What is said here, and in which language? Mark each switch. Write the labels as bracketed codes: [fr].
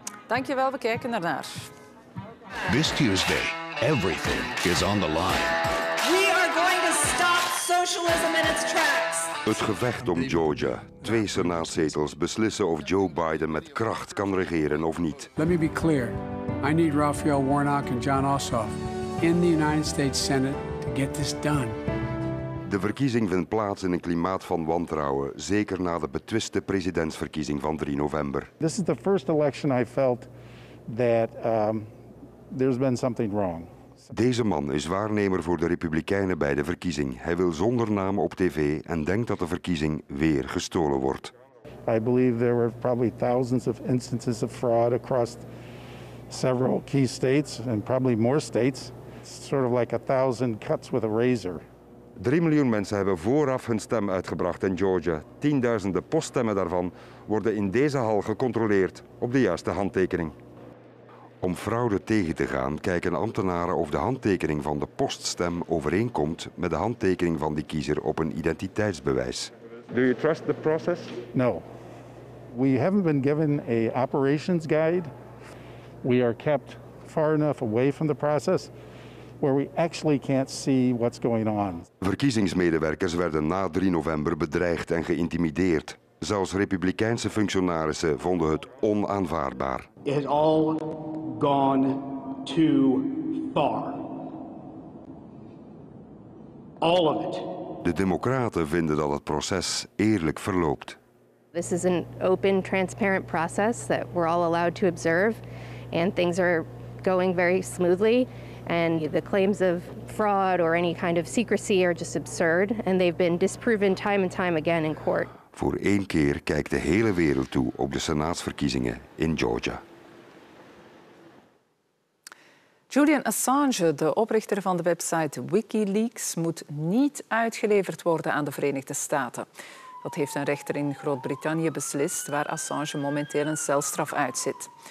[nl] Dankjewel, we kijken ernaar. [en] This Tuesday, everything is on the line. We are going to stop socialism in its tracks. [nl] Het gevecht om Georgia. Twee senaatszetels beslissen of Joe Biden met kracht kan regeren of niet. [en] Let me be clear. I need Raphael Warnock and John Ossoff in the United States Senate to get this done. [nl] De verkiezing vindt plaats in een klimaat van wantrouwen, zeker na de betwiste presidentsverkiezing van 3 november. [en] This is the first election I felt that there's been something wrong. [nl] Deze man is waarnemer voor de Republikeinen bij de verkiezing. Hij wil zonder naam op tv en denkt dat de verkiezing weer gestolen wordt. [en] I believe there were probably thousands of instances of fraud across several key states and probably more states. It's sort of like 1,000 cuts with a razor. [nl] 3 miljoen mensen hebben vooraf hun stem uitgebracht in Georgia. Tienduizenden poststemmen daarvan worden in deze hal gecontroleerd op de juiste handtekening. Om fraude tegen te gaan, kijken ambtenaren of de handtekening van de poststem overeenkomt met de handtekening van die kiezer op een identiteitsbewijs. [en] Do you trust the process? No. We haven't been given a operations guide. We are kept far enough away from the process where we actually can't see what's going on. [nl] Verkiezingsmedewerkers werden na 3 november bedreigd en geïntimideerd. Zelfs Republikeinse functionarissen vonden het onaanvaardbaar. [en] It has all gone too far. All of it. [nl] De Democraten vinden dat het proces eerlijk verloopt. [en] This is an open, transparent process that we're all allowed to observe. And things are going very smoothly. And the claims of fraud or any kind of secrecy are just absurd. And they've been disproven time and time again in court. [nl] Voor één keer kijkt de hele wereld toe op de senaatsverkiezingen in Georgia. Julian Assange, de oprichter van de website WikiLeaks, moet niet uitgeleverd worden aan de Verenigde Staten. Dat heeft een rechter in Groot-Brittannië beslist, waar Assange momenteel een celstraf uitzit.